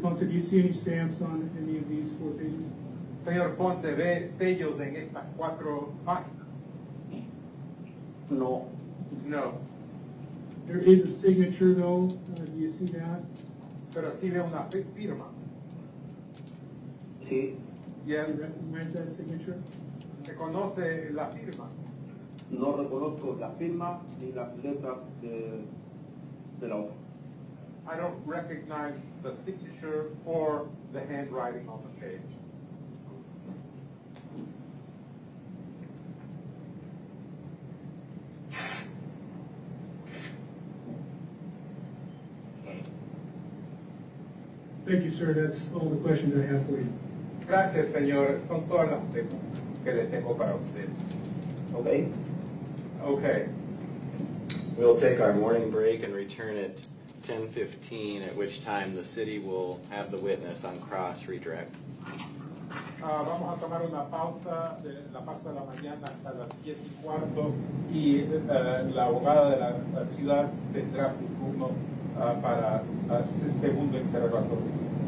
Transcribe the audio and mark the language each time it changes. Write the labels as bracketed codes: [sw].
[en] Ponce, do you see any stamps on any of these four pages? [es] Señor Ponce, ¿ve sellos en estas cuatro páginas? No. [en] No. There is a signature, though. Do you see that? [es] Pero sí ve una firma. Sí. [en] Yes. Do you recognize that signature? [es] ¿Reconoce la firma? No reconozco la firma ni las letras de, la hoja. [en] I don't recognize the signature or the handwriting on the page. Thank you, sir. That's all the questions I have for you. [es] Gracias, señor. Son todas las preguntas que le tengo para usted. [en] Okay. Okay. We'll take our morning break and return it 10:15, at which time the city will have the witness on cross redirect. [es] Vamos a tomar una pausa de la pausa de la mañana hasta las 10:15, y la abogada de la, ciudad tendrá su turno para el segundo interrogatorio.